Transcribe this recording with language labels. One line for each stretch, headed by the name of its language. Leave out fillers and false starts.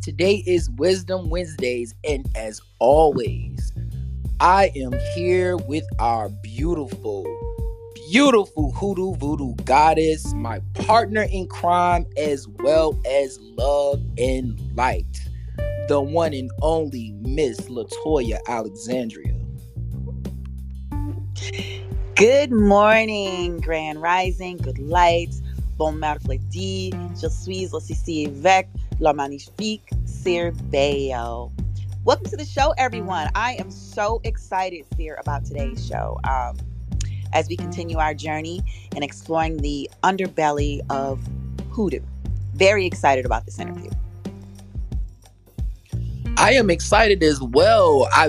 English: Today is Wisdom Wednesdays, and as always, I am here with our beautiful, beautiful Hoodoo Voodoo goddess, my partner in crime as well as love and light, the one and only Miss LaToya Alexandria. Good morning, Grand Rising, good lights,
French: bon mercredi, je suis aussi avec la magnifique Cirbeo.
English: Welcome to the show, everyone. I am so excited, Sir, about today's show. As we continue our journey in exploring the underbelly of Hoodoo. Very excited about this interview. I am excited as well.